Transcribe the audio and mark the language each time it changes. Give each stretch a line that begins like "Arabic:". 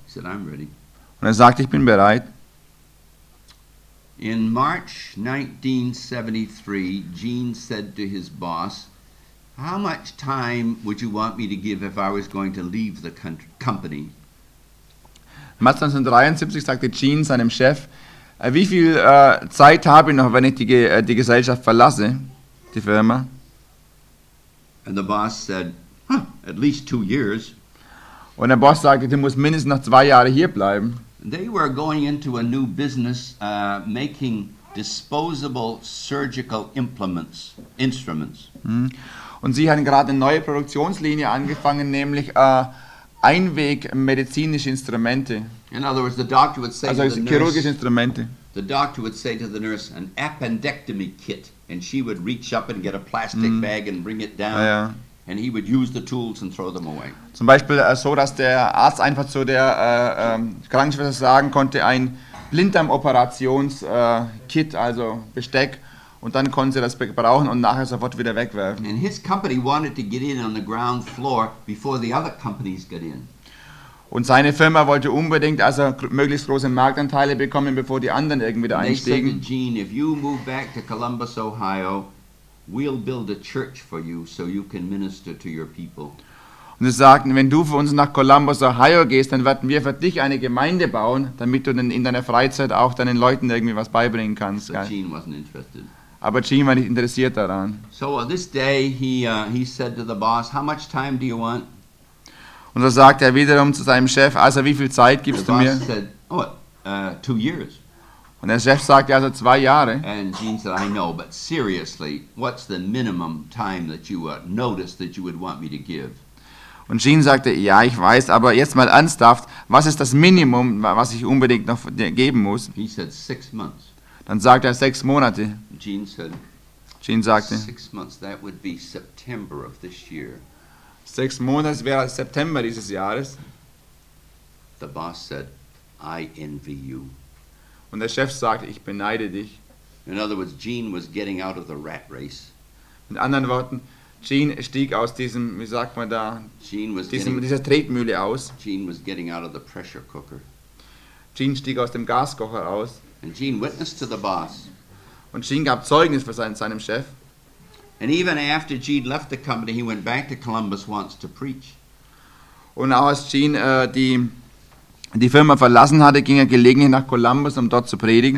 English: He said, I'm ready.
German: Und sagte, ich bin bereit.
English: In March 1973, Gene said to his boss, how much time would you want me to give if I was going to leave the company?
German: März 1973 sagte Gene seinem Chef, wie viel Zeit habe ich noch, wenn ich die Gesellschaft verlasse, die Firma?
English: And the boss said, at least 2 years.
German: Und der Boss sagte, du musst mindestens noch 2 Jahre hier bleiben.
English: They were going into a new business making disposable surgical instruments.
German: Und sie haben gerade eine neue Produktionslinie angefangen, nämlich einwegmedizinische Instrumente.
English: In other words, the doctor would say
German: also
English: to the
German: chirurgische Instrumente.
English: The doctor would say to the nurse, an appendectomy kit, and she would reach up and get a plastic bag and bring it down.
German: Ja.
English: And he would use the tools and throw them away.
German: Zum Beispiel so, dass der Arzt einfach zu der Krankenschwester sagen konnte, ein Blinddarm-Operations-Kit, also Besteck, und dann konnte sie das brauchen und nachher sofort wieder wegwerfen.
English: And his company wanted to get in on the ground floor before the other companies got in.
German: Und seine Firma wollte unbedingt also möglichst große Marktanteile bekommen, bevor die anderen irgendwie wieder einstiegen.
English: They said to Gene, if you move back to Columbus, Ohio, we'll build a church for you, so you can minister to your people.
German: Und sie sagten, wenn du für uns nach Columbus, Ohio gehst, dann werden wir für dich eine Gemeinde bauen, damit du in deiner Freizeit auch deinen Leuten irgendwie was beibringen kannst.
English: But Gene wasn't interested.
German: Aber Gene war nicht interessiert daran.
English: So this day he said to the boss, how much time do you want?
German: Und so sagte er wiederum zu seinem Chef, also wie viel Zeit gibst
English: the
German: du mir?
English: The boss said, 2 years.
German: Und der Chef sagte also 2 Jahre.
English: And Gene said, I know, but seriously, what's the minimum time that you would notice that you would want me to give?
German: Und Jean sagte, ja, ich weiß, aber jetzt mal ernsthaft, was ist das Minimum, was ich unbedingt noch geben muss?
English: He said 6 months.
German: Dann sagte er 6 Monate.
English: Jean said,
German: Jean sagte,
English: 6 months, that would be September of this year.
German: 6 Monate wäre September dieses Jahres.
English: The boss said, I envy you.
German: Und der Chef sagte, ich beneide dich.
English: In other words, Jean was getting out of the rat race.
German: Mit anderen Worten, Jean stieg aus diesem, wie sagt man da, dieser Tretmühle aus.
English: Jean was getting out of the pressure cooker.
German: Jean stieg aus dem Gaskocher aus.
English: And Jean witnessed to the boss.
German: Und Jean gab Zeugnis für seinem Chef.
English: And even after Jean left the company, he went back to Columbus once to preach.
German: Und auch als Jean die Firma verlassen hatte, ging er gelegentlich nach Columbus, um dort zu predigen.